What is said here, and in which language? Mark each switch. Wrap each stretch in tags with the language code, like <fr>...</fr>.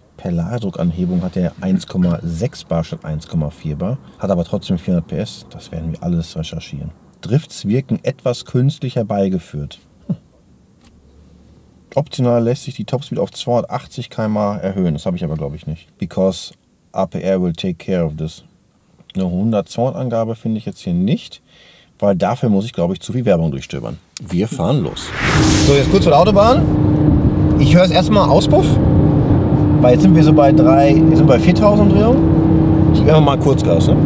<de>Per Ladedruckanhebung hat er 1,6 bar statt 1,4 bar. Hat aber trotzdem 400 PS. Das werden wir alles recherchieren. Drifts wirken etwas künstlich herbeigeführt. Optional lässt sich die Topspeed auf 280 km/h erhöhen. Das habe ich aber, glaube ich, nicht.</de> <en>Because APR will take care of this.</en> <de>Eine 100-200 Angabe finde ich jetzt hier nicht, weil dafür muss ich, glaube ich, zu viel Werbung durchstöbern. Wir fahren los. So, jetzt kurz vor der Autobahn. Ich höre es erstmal Auspuff, weil jetzt sind wir so bei 4000 Drehung. Ich gebe mal kurz Gas, ne?</de>